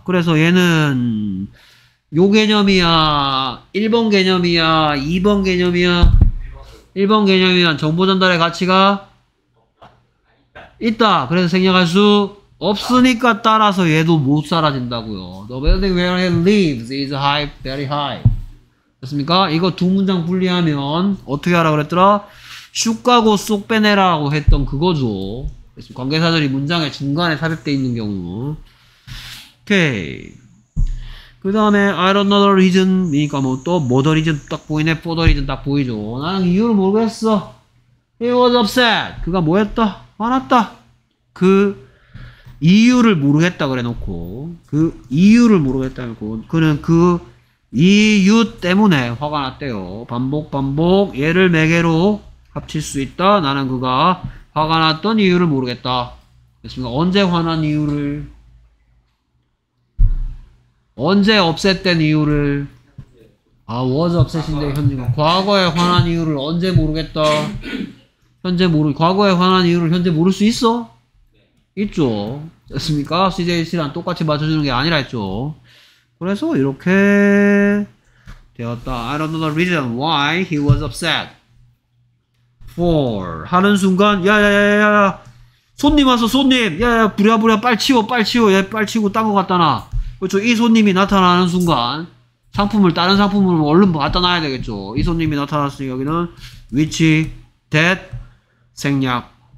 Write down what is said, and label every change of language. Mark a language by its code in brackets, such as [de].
[ko] 그래서 얘는 요 개념이야, 1번 개념이야, 2번 개념이야. 1번 개념이면 정보 전달의 가치가 있다. 그래서 생략할 수 없으니까 따라서 얘도 못 사라진다고요. [en] The building where he lives is high, very high. [ko] 됐습니까? 이거 두 문장 분리하면 어떻게 하라고 그랬더라? 슈가고 쏙 빼내라고 했던 그거죠. 그래서 관계사들이 문장의 중간에 삽입되어 있는 경우. 오케이. 그 다음에 I don't know the reason이니까 뭐 또 뭐 the reason 딱 보이네. for the reason 딱 보이죠. 나는 이유를 모르겠어. [en] He was upset. [ko] 그가 뭐 했다? 화났다. 그 이유를 모르겠다 그래 놓고 그 이유를 모르겠다 그래 놓고 그는 그 이유 때문에 화가 났대요. 반복 얘를 매개로 합칠 수 있다. 나는 그가 화가 났던 이유를 모르겠다. 됐습니다. 언제 화난 이유를, 언제 업셋된 이유를, 아, was upset인데 현재 과거에 화난 이유를 언제 모르겠다. 현재 모르, 과거에 화난 이유를 현재 모를 수 있어? 있죠. 됐습니까? CJC랑 똑같이 맞춰주는 게 아니라 했죠. 그래서 이렇게 되었다. [en] I don't know the reason why he was upset. [ko] For 하는 순간, 야야야야야, 손님 와서, 손님, 야야, 부랴부랴 빨치워, 빨치워, 얘 빨치고 딴 거 갖다 놔. 그렇죠. 이 손님이 나타나는 순간 상품을, 다른 상품을 얼른 갖다 놔야 되겠죠. 이 손님이 나타났으니 여기는 위치, 댓, 생략.